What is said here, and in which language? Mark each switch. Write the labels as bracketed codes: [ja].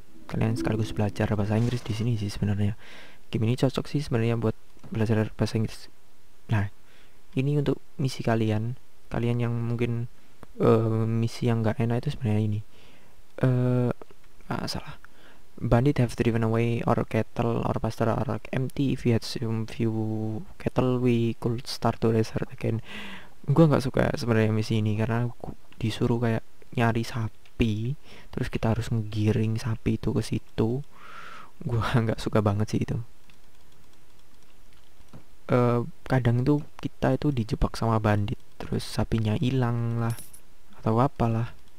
[id] Kalian sekaligus belajar bahasa Inggris di sini sih sebenarnya. Game ini cocok sih sebenarnya buat belajar bahasa Inggris. Nah, ini untuk misi kalian. Kalian yang mungkin misi yang gak enak itu sebenarnya ini. Salah. [en] Bandit have driven away our cattle, our pasture are empty. If we had some few cattle, we could start to restart again. [id] Gua gak suka sebenarnya misi ini karena disuruh kayak nyari sapi. Terus kita harus ngegiring sapi itu ke situ. Gua enggak suka banget sih itu. Kadang tuh kita itu dijebak sama bandit, terus sapinya hilang lah atau apalah.